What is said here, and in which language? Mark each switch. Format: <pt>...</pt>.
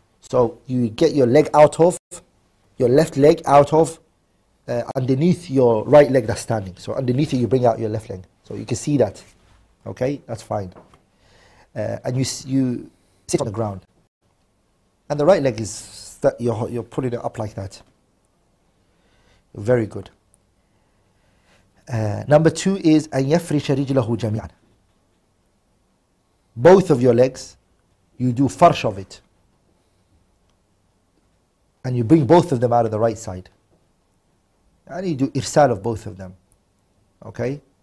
<en>So you get your leg out of, your left leg out of, underneath your right leg that's standing. So underneath it, you bring out your left leg. So you can see that. Okay, that's fine. And you sit on the ground. And the right leg is, you're pulling it up like that. Very good. Number two is,</en> <ar>أَن يَفْرِشَ رِجْلَهُ جَمِيعًا.</ar> <en>Both of your legs, you do farsh of it. And you bring both of them out of the right side. And you do irsal of both of them. Okay?</en>